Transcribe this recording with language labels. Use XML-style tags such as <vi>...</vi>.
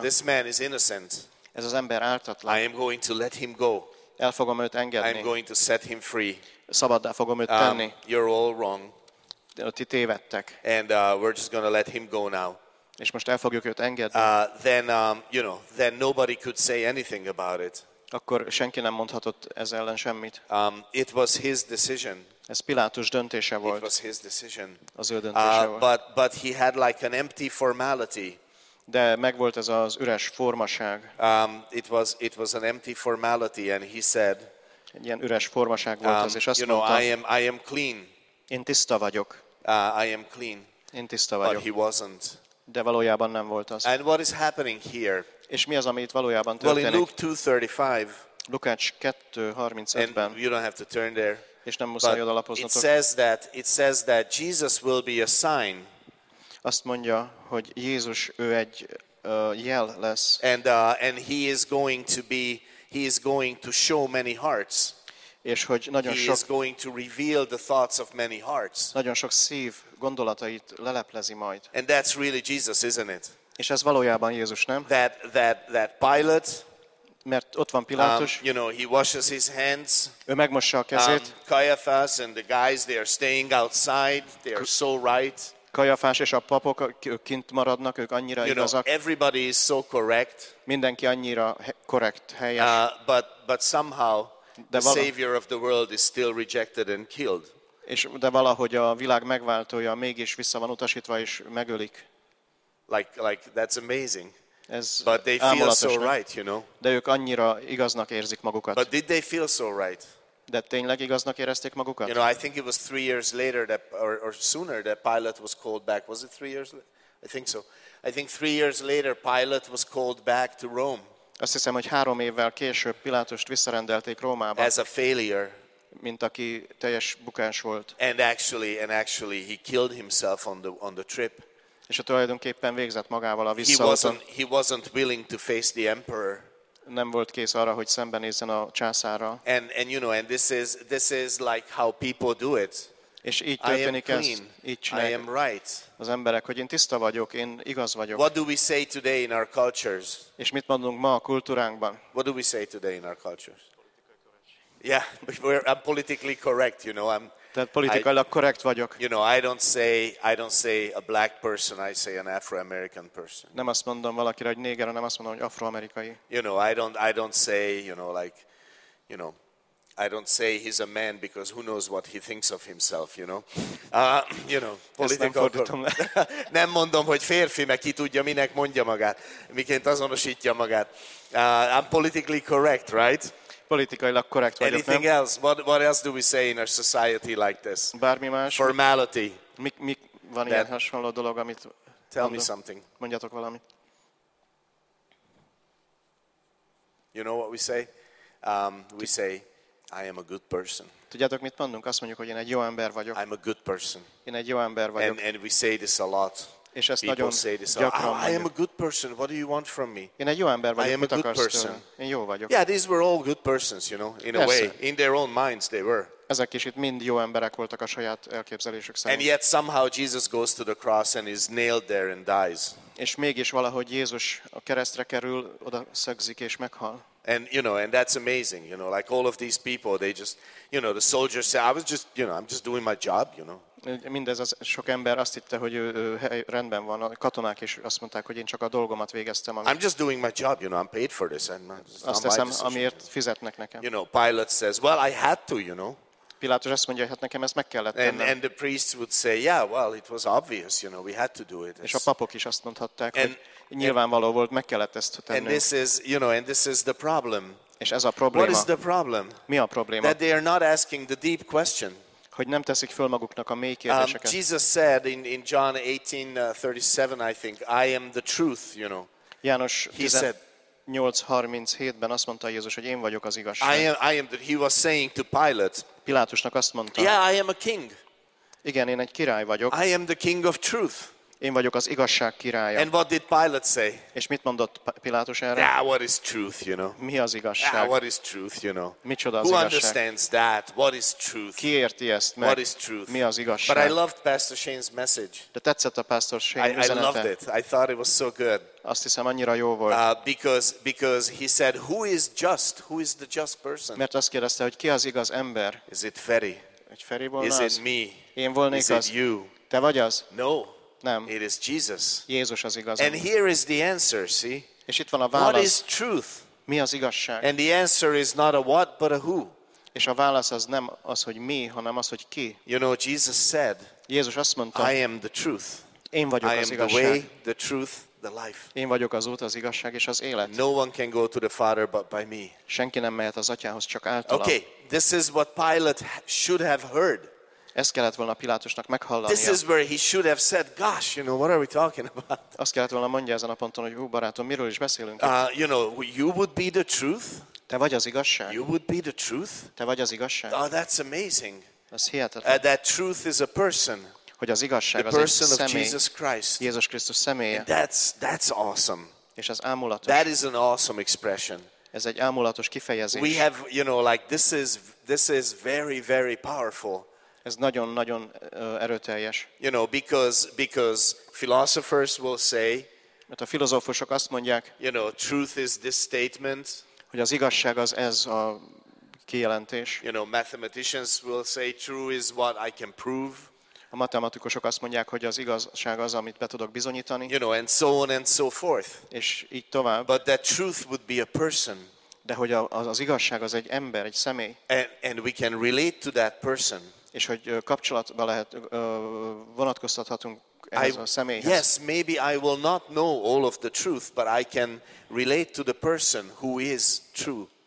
<en>this man is innocent,</en> <hu>Ez az ember ártatlan.</hu> <en>I am going to let him go.</en> <hu>El fogom őt engedni.</hu> <en>I am going to set him free.</en> <hu>Szabaddá fogom őt tenni.</hu> <en>You're all wrong.</en> <hu>Ti tévedtek.</hu> <en>And we're just going to let him go now.</en> <hu>És most el fogjuk őt engedni.</hu> <en>Then nobody could say anything about it.</en> <hu>Akkor senki nem mondhatott ez ellen semmit.</hu> <en>It was his decision.</en> <hu>Ez Pilátus döntése volt.</hu> <en>It was his decision.</en> <hu>Az ő döntése volt.</hu> <en>But he had like an empty formality.</en> <hu>De megvolt ez az üres formaság.</hu> <en>It was an empty formality, and he said,</en> <hu>egy ilyen üres formaság volt ez, és azt mondta,</hu> <en>I am clean.</en> <hu>Én tiszta vagyok.</hu> <en>I am clean.</en> <hu>Én tiszta vagyok.</hu> <en>But he wasn't.</en> <hu>De valójában nem volt az.</hu> <en>And what is happening here?</en> <hu>És mi az, ami itt valójában történik?</hu> <en>Well, in Lukács 2:35, and you don't have to turn there,</en> <hu>és nem muszáj oda lapoznatok.</hu> <en>It says that Jesus will be a sign.</en> <hu>Azt mondja, hogy Jézus, ő egy jel lesz.</hu> <en>And he is going to show many hearts.</en> <hu>És hogy nagyon</hu> <en>he</en> <hu>sok</hu> <en>is going to reveal the thoughts of many hearts.</en> <hu>Nagyon sok szív gondolatait leleplezi majd.</hu> <en>And that's really Jesus, isn't it?</en> <hu>És ez valójában Jézus, nem?</hu> <en>That Pilate,</en> <hu>mert ott van Pilátus.</hu> <en>You know, he washes his hands.</en> <hu>Ő megmossa a kezét.</hu> <en>Caiaphas and the guys, they are staying outside. They are so right.</en> <hu>Caiaphas és a papok kint maradnak, ők annyira</hu> <en>you</en> <hu>igazak.</hu> <en>Know, everybody is so correct.</en> <hu>Mindenki annyira korrekt, helyes.</hu> <en>But somehow the savior of the world is still rejected and killed.</en> <hu>És de valahogy a világ megváltója mégis vissza van utasítva és megölik.</hu> <en>Like that's amazing.</en> <hu>Ez</hu> <en>but they feel so right, you know.</en> <hu>De ők annyira igaznak érzik magukat.</hu> <en>But did they feel so right?</en> <hu>De tényleg igaznak érezték magukat?</hu> <en>You know, I think it was 3 years later that or sooner that Pilate was called back. Was it 3 years? I think so. I think 3 years later Pilate was called back to Rome.</en> <hu>Azt hiszem, hogy 3 évvel később Pilátust visszarendelték Rómába.</hu> <en>As a failure.</en> <hu>Mint aki teljes bukás volt.</hu> <en>And actually he killed himself on the trip.</en> <hu>És a tulajdonképpen végzett magával a visszaúton.</hu> <en>He wasn't willing to face the emperor.</en> <hu>Nem volt kész arra, hogy szembenézzen a császárra.</hu> <en>And you know, and this is like how people do it.</en> <hu>És így történik ez.</hu> <en>I am right.</en> <hu>Az emberek, hogy én tiszta vagyok, én igaz vagyok.</hu> <en>What do we say today in our cultures?</en> <hu>És mit mondunk ma a kultúránkban?</hu> <en>What do we say today in our cultures? Yeah, I'm politically correct, you know.</en> <hu>Tehát politikailag korrekt vagyok.</hu> <en>You know, I don't say a black person, I say an Afro-American person.</en> <hu>Nem azt mondom valakire, hogy néger, hanem azt mondom, hogy afroamerikai.</hu> <en>You know, I don't say, you know, like, you know, I don't say he's a man because who knows what he thinks of himself, you know. You know, political.</en> <hu>Nem mondom, hogy férfi, meg ki tudja, minek mondja magát, miként azonosítja magát.</hu> <en>I'm politically correct, right?</en> <hu>Politikailag korrekt vagyok.</hu> <en>Anything else? What else do we say in a society like this?</en> <hu>Bármi más?</hu> <en>Formality.</en> <hu>Mi van ilyen hasonló dolog, amit</hu> <en>tell me something.</en> <hu>Mondjatok valamit.</hu> <en>You know what we say? We say I am a good person.</en> <hu>Tudjátok mit mondunk? Azt mondjuk, hogy én egy jó ember vagyok.</hu> <en>I'm a good person.</en> <hu>Én egy jó ember vagyok.</hu> <en>And we say this a lot.</en> <hu>És ezt nagyon gyakran mondjuk.</hu> <en>I am a good person. What do you want from me?</en> <hu>Én egy jó ember vagyok.</hu> <en>I am a good person.</en> <hu>Én jó vagyok.</hu> <en>Yeah, these were all good persons, you know, in a way. In their own minds they were.</en> <hu>Ezek is itt mind jó emberek voltak a saját elképzelésük szerint.</hu> <en>And yet somehow Jesus goes to the cross and is nailed there and dies.</en> <hu>És mégis valahogy Jézus a keresztre kerül, oda szegzik és meghal.</hu> <en>And you know, and that's amazing, you know, like all of these people, they just, you know, the soldiers say, I was just, you know, I'm just doing my job, you know.</en> <hu>Mindez az sok ember azt hitte, hogy rendben van, a katonák is azt mondták, hogy én csak a dolgomat végeztem. Amit.</hu> <en>I'm just doing my job, you know, I'm paid for this.</en> <hu>Azt teszem, amiért fizetnek nekem.</hu> <en>You know, Pilate says, well, I had to, you know.</en> <hu>Pilátus azt mondja, hát nekem ezt meg kellett tennem.</hu> <en>And the priests would say, yeah, well, it was obvious, you know, we had to do it.</en> <hu>És a papok is azt mondhatták, hogy nyilvánvaló volt, meg kellett ezt tennünk.</hu> <en>And this is, you know, and this is the problem.</en> <hu>És ez a probléma.</hu> <en>What is the problem?</en> <hu>Mi a probléma?</hu> <en>That they are not asking the deep question.</en> <hu>Hogy nem teszik föl maguknak a mély kérdéseket.</hu> <en>Jesus said in John 18:37, I think, I am the truth, you know.</en> <hu>János 18:37-ben azt mondta Jézus, hogy én vagyok az igazság.</hu> <en>He was saying to Pilate.</en> <hu>Pilátusnak azt mondta.</hu> <en>Yeah, I am a king.</en> <hu>Igen, én egy király vagyok.</hu> <en>I am the king of truth.</en> <hu>Én vagyok az igazság királya.</hu> <en>And what did Pilate say?</en> <hu>És mit mondott Pilátus erre?</hu> <en>Yeah, what is truth, you know?</en> <hu>Mi az igazság?</hu> <en>Yeah, what is truth, you know?</en> <hu>Micsoda az</hu> <en>Who</en> <hu>igazság?</hu> <en>Understands that? What is truth?</en> <hu>Ki érti ezt meg?</hu> <en>What is truth?</en> <hu>Mi az igazság?</hu> <en>But I loved Pastor Shane's message.</en> <hu>De tetszett a Pastor Shane üzenete.</hu> <en>I loved it. I thought it was so good.</en> <hu>Azt hiszem, annyira jó volt.</hu> <en>Because he said, who is just? Who is the just person?</en> <hu>Mert azt kérdezte, hogy ki az igaz ember?</hu> <en>Is it Ferry?</en> <hu>Egy Ferry volna</hu> <en>is</en> <hu>az?</hu> <en>It me?</en> <hu>Én volnék</hu> <en>is</en> <hu>az.</hu> <en>It you?</en> <hu>Te vagy az?</hu> <en>No.</en> <hu>Nem.</hu> <en>It is Jesus.</en> <hu>Jézus az igaz.</hu> <en>And here is the answer, see?</en> <hu>És itt van a válasz.</hu> <en>What is truth?</en> <hu>Mi az igazság?</hu> <en>And the answer is not a what, but a who.</en> <hu>És a válasz az nem az, hogy mi, hanem az, hogy ki.</hu> <en>You know, Jesus said,</en> <hu>Jézus azt mondta,</hu> <en>I am the truth.</en> <hu>Én vagyok</hu> <en>I</en> <hu>az</hu> <en>am</en> <hu>igazság.</hu> <en>The way, the truth, the life.</en> <hu>Én vagyok az út, az igazság és az élet.</hu> <en>No one can go to the Father but by me.</en> <hu>Senki nem mehet az atyához, csak általam.</hu> <en>Okay, this is what Pilate should have heard.</en> <hu>Ezt kellett volna Pilátusnak meghallania.</hu> <en>This is where he should have said, gosh, you know, what are we talking about?</en> <hu>Azt kellett volna mondja ezen a ponton, hogy hú, barátom, miről is beszélünk?</hu> <en>You know, you would be the truth.</en> <hu>Te vagy az igazság.</hu> <en>You would be the truth.</en> <hu>Te vagy az igazság.</hu> <en>Oh, that's amazing.</en> <hu>Ez hihetetlen.</hu> <en>That truth is a person.</en> <hu>Hogy az igazság</hu> <en>the person of Jesus Christ.</en> <hu>Jézus Krisztus személye.</hu> <en>That's awesome.</en> <hu>És az ámulatos.</hu> <en>That is an awesome expression.</en> <hu>Ez egy ámulatos kifejezés.</hu> <en>We have, you know, like this is very, very powerful.</en> <hu>Ez nagyon-nagyon erőteljes.</hu> <en>You know, because philosophers will say,</en> <hu>mert a filozófusok azt mondják,</hu> <en>you know, truth is this statement,</en> <hu>hogy az igazság az ez a kijelentés.</hu> <en>You know, mathematicians will say, true is what I can prove.</en> <hu>A matematikusok azt mondják, hogy az igazság az, amit be tudok bizonyítani.</hu> <en>You know, and so on and so forth.</en> <hu>És így tovább.</hu> <en>But that truth would be a person.</en> <hu>De hogy az igazság az egy ember, egy személy.</hu> <en>And we can relate to that person.</en> <hu>És hogy kapcsolatba lehet vonatkoztathatunk ehhez a személyhez.</hu> <en>Yes, maybe I will not know all of the truth, but I can relate to the person who is true.</en>